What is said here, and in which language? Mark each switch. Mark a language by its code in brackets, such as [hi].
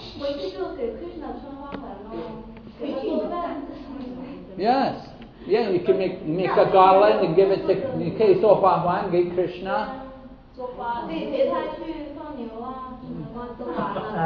[zh] 回去就给 Krishna 穿花环喽。回去干 [en] ？Yes。 Yeah, you can make a garland and give it to. [zh] 你可以做花环给 Krishna. 做花，可以陪他去放牛啊，什么做花的。